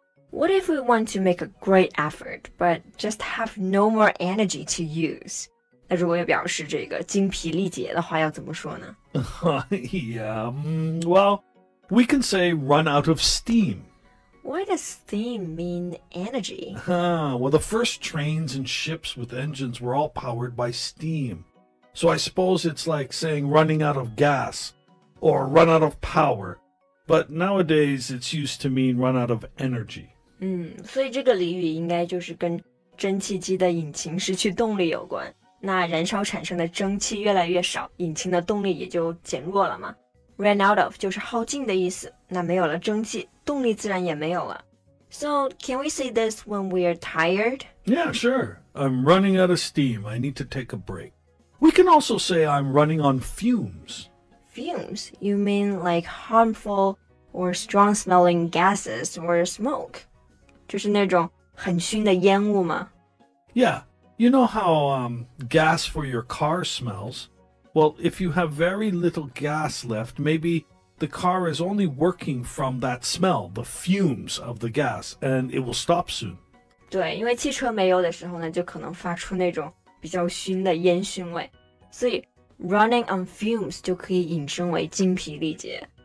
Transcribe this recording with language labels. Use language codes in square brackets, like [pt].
[en] What if we want to make a great effort, but just have no more energy to use? [zh] 那如果要表示这个精疲力竭的话，要怎么说呢？ [en] Yeah, well, we can say run out of steam. Why does steam mean energy? Well, the first trains and ships with engines were all powered by steam. So I suppose it's like saying running out of gas or run out of power. But nowadays, it's used to mean run out of energy. [zh] 所以这个俚语应该就是跟蒸汽机的引擎失去动力有关。那燃烧产生的蒸汽越来越少，引擎的动力也就减弱了嘛。 [en] Run out of [zh] 就是耗尽的意思。那没有了蒸汽，动力自然也没有了。 [en] So can we say this when we are tired? Yeah, sure. I'm running out of steam. I need to take a break. We can also say I'm running on fumes. Fumes? You mean like harmful or strong-smelling gases or smoke? [zh] 就是那种很熏的烟雾吗？ [en] Yeah, you know how gas for your car smells? Well, if you have very little gas left, maybe the car is only working from that smell, the fumes of the gas, and it will stop soon. [zh] 对，因为汽车没油的时候呢，就可能发出那种比较熏的烟熏味，所以 [en] running on fumes [zh] 就可以引申为精疲力竭。